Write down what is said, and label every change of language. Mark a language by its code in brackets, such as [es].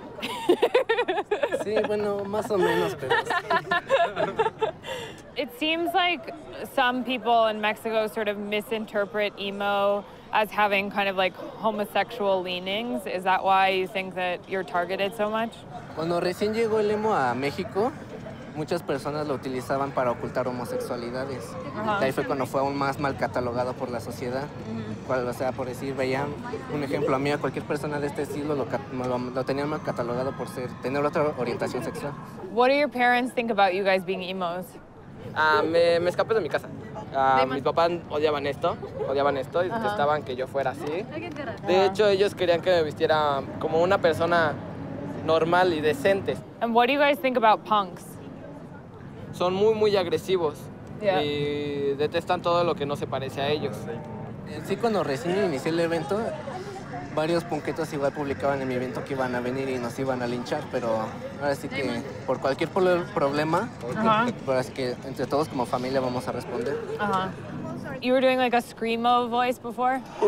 [es] Sí, bueno, más o menos, pero sí. [en] It seems like some people in Mexico sort of misinterpret emo as having kind of like homosexual leanings. Is that why you think that you're targeted so much? [es] Cuando recién llegó el emo a México, muchas personas lo utilizaban para ocultar homosexualidades. Uh-huh. Ahí fue cuando fue aún más mal catalogado por la sociedad. Uh-huh. O sea, por decir, veían un ejemplo a mí, a cualquier persona de este siglo lo tenían mal catalogado por ser tener otra orientación sexual. [en] What do your parents think about you guys being emos? [es] Me escapé de mi casa. Mis papás odiaban esto, uh-huh. Detestaban que yo fuera así. De hecho, ellos querían que me vistiera como una persona normal y decente. [en] And what do you guys think about punks? [es] Son muy, muy agresivos, yeah. Y detestan todo lo que no se parece a ellos. Sí, cuando recién inicié el evento, varios punquetos igual publicaban en mi evento que iban a venir y nos iban a linchar, pero ahora sí que por cualquier problema, uh-huh. Es que entre todos como familia vamos a responder. [en] Uh-huh. You were doing like a screamo voice before?